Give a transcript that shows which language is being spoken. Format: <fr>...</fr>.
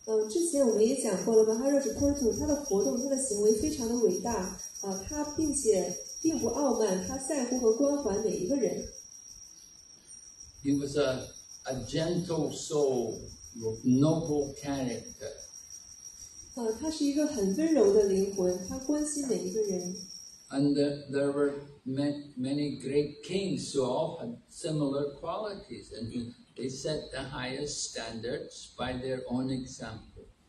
<zh>之前我们也讲过了，Maharaj Prithu他的活动、他的行为非常的伟大，他并不傲慢，他在乎和关怀每一个人。</zh> <en>He was a gentle soul with noble character.</en> <zh>他是一个很温柔的灵魂，他关心每一个人。</zh> <en>And there were many great kings who all had similar qualities, and they set the highest standards by their own example.</en>